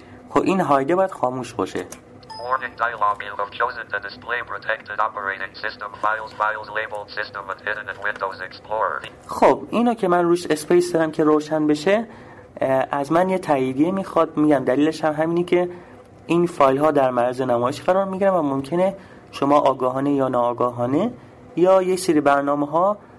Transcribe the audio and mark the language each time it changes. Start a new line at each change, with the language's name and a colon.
Persian: خب این هایده باید خاموش باشه.
English: Warning dialog. You have chosen to display protected operating system files. Files labeled system and hidden in Windows Explorer.
Persian: خب اینو که من روش اسپیس دارم که روشن بشه، از من یه تاییدیه میخواد. میگم دلیلش هم همینی که این فایل ها در معرض نمایش قرار میگیرن و ممکنه شما آگاهانه یا ناآگاهانه یا یه سری برنامه ها